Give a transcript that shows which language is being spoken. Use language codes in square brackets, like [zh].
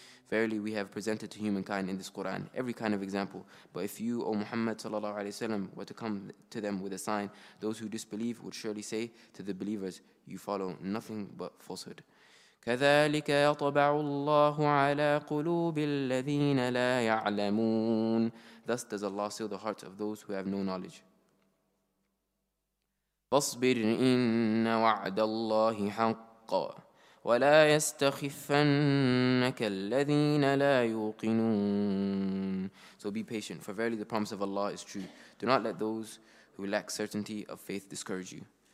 [en] Verily, we have presented to humankind in this Quran every kind of example. But if you, O Muhammad sallallahu alaihi wasallam, were to come to them with a sign, those who disbelieve would surely say to the believers, "You follow nothing but falsehood." [ar] كذلك يطبع الله على قلوب الذين لا يعلمون. [en] Thus does Allah seal the hearts of those who have no knowledge. [ar] فاصبر إن وعد الله حق وَلَا يَسْتَخِفَّنَّكَ الَّذِينَ لَا يُوقِنُونَ. [en] So be patient, for verily the promise of Allah is true. Do not let those who lack certainty of faith discourage you.